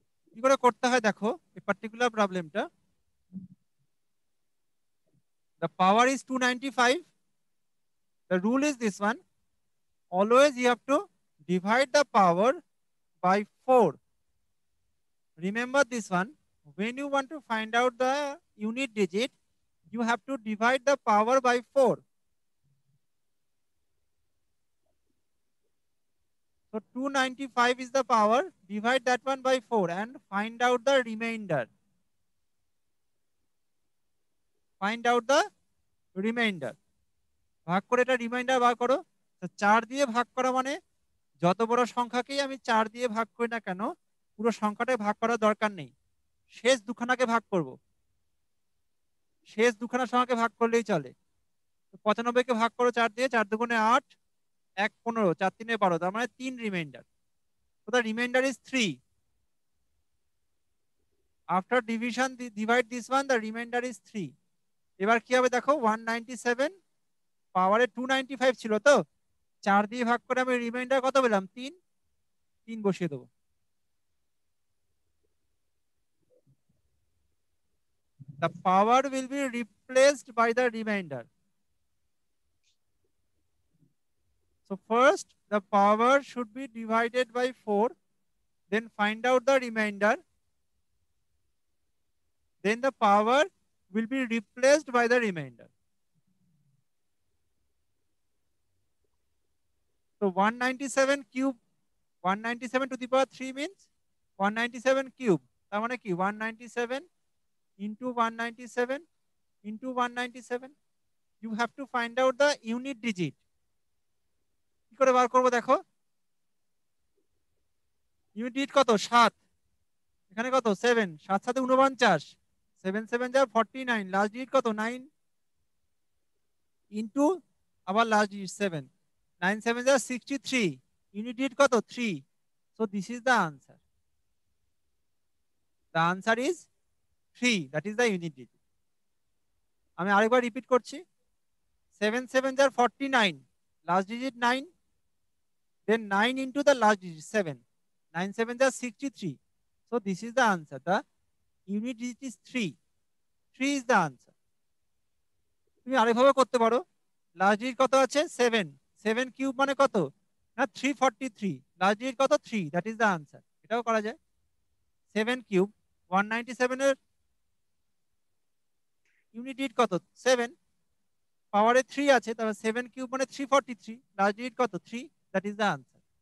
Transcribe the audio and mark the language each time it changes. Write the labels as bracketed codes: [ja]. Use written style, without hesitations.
[bn] কি করে করতে হয় দেখো, [en] এই পার্টিকুলার প্রবলেমটা, the power is 295, the rule is this one, always you have to divide the power by 4। Remember this one, when you want to find out the unit digit, you have to divide the power by 4। So 295 is the power, divide that one by 4 and find out the remainder. Find out the remainder. [bn] ভাগ করে এটা reminder বার করো। তো 4 দিয়ে ভাগ করা মানে যত বড় সংখ্যাকেই আমি 4 দিয়ে ভাগ করি না কেন, পুরো সংখ্যাটাই ভাগ করার দরকার নেই, শেষ দুখানাকে ভাগ করব। শেষ দুখানা সংখ্যাকে ভাগ করলেই চলে। তো 95 কে ভাগ করো 4 দিয়ে, 4 দুগুণে 8, 1 15, 4 3 12, তার মানে 3 রিমাইন্ডার। [en] তো the remainder is 3। After division divide this one, the remainder is 3। [bn] এবার কি হবে দেখো, 197 পাওয়ারে 295 ছিল, তো 4 দিয়ে ভাগ করে আমি রিমাইন্ডার কত পেলাম, 3, 3 বসিয়ে দেবো। [en] The power will be replaced by the remainder. So first the power should be divided by 4, then find out the remainder, then the power will be replaced by the remainder. So 197 cube, 197 to the power 3 means 197 cube, [bn] tar mane ki [en] 197 into 197 into 197, you have to find out the unit digit. [bn] কি করে বার করবো দেখো, unit কত, 7, এখানে কত, 7, 7 সাথে 49, 7 7 যা 49, last digit কত, 9, ইনটু আবার লাস্ট ডিজিট 7, 9 7 যা 63, ইউনিট ডিজিট কত, 3। [en] So this is the answer, the answer is 3, that is the unit digit. [bn] আমি আরেকবার রিপিট করছি, [en] 7 7 যা 49, last digit 9, then 9 into the last digit 7, 9 7 is 63, so this is the answer, the unit digit is 3, 3 is the answer. [bn] তুমি আরেকভাবে করতে পারো, last digit কত আছে, 7, 7 cube মানে কত, না 343, last digit কত, 3, [en] that is the answer. [bn] এটাও করা যায়, 7 cube, 197 এর unit digit কত, 7, পাওয়ারে 3 আছে, তাহলে 7 cube মানে 343, last digit কত, 3, [en] that is the answer.